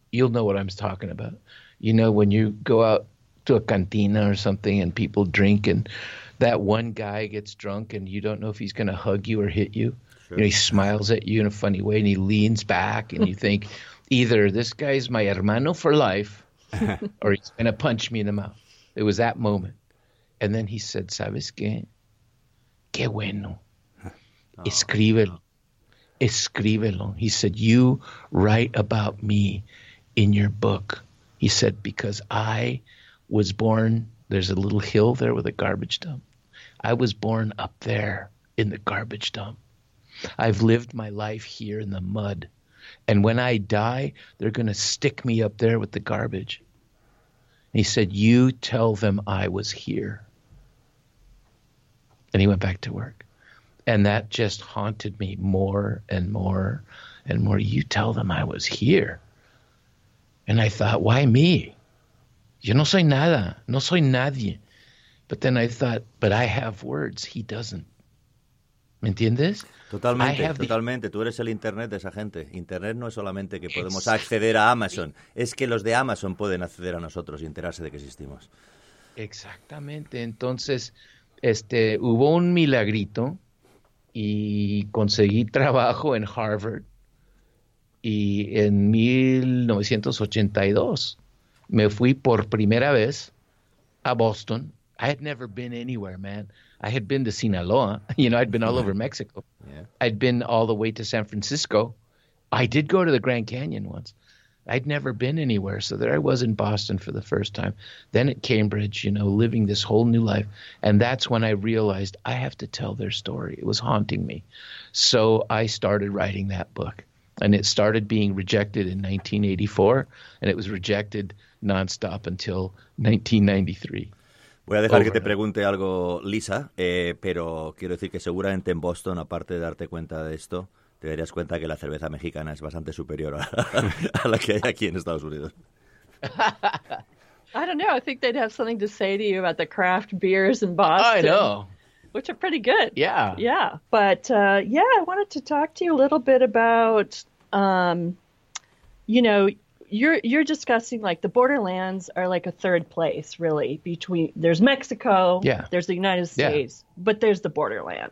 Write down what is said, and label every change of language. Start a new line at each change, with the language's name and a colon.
English: You'll know what I'm talking about. You know, when you go out to a cantina or something and people drink and that one guy gets drunk and you don't know if he's going to hug you or hit you. Sure. You know, he smiles at you in a funny way and he leans back and you think, either this guy's my hermano for life or he's going to punch me in the mouth. It was that moment. And then he said,
Spanish: ¿sabes qué? ¡Qué bueno! Escríbelo. Escríbelo.
English: He said, you write about me in your book. He said, because I was born, there's a little hill there with a garbage dump. I was born up there in the garbage dump. I've lived my life here in the mud. And when I die, they're going to stick me up there with the garbage. And he said, you tell them I was here. And he went back to work. And that just haunted me more and more and more. You tell them I was here. And I thought, why me?
Spanish: Yo no soy nada. No soy nadie.
English: But then I thought, but I have words. He doesn't.
Spanish: ¿Me entiendes? Totalmente. Tú eres el internet de esa gente. Internet no es solamente que podemos acceder a Amazon. Es que los de Amazon pueden acceder a nosotros y enterarse de que existimos. Exactamente. Entonces, hubo un milagrito y conseguí trabajo en Harvard. Y en 1982 me fui por primera vez a Boston.
English: I had never been anywhere, man. I had been to Sinaloa. You know, I'd been all over Mexico. Yeah. I'd been all the way to San Francisco. I did go to the Grand Canyon once. I'd never been anywhere. So there I was in Boston for the first time. Then at Cambridge, you know, living this whole new life. And that's when I realized I have to tell their story. It was haunting me. So I started writing that book. And it started being rejected in 1984. And it was rejected nonstop until 1993.
Spanish: Voy a dejar que te pregunte algo, Lisa, pero quiero decir que seguramente en Boston, aparte de darte cuenta de esto, te darías cuenta que la cerveza mexicana es bastante superior a la que hay aquí en Estados Unidos.
English: I don't know. I think they'd have something to say to you about the craft beers in Boston. Oh, I know. Which are pretty good. Yeah. Yeah. But, yeah, I wanted to talk to you a little bit about, you know, You're discussing like the borderlands are like a third place, really, between there's Mexico, there's the United States, but there's the borderlands.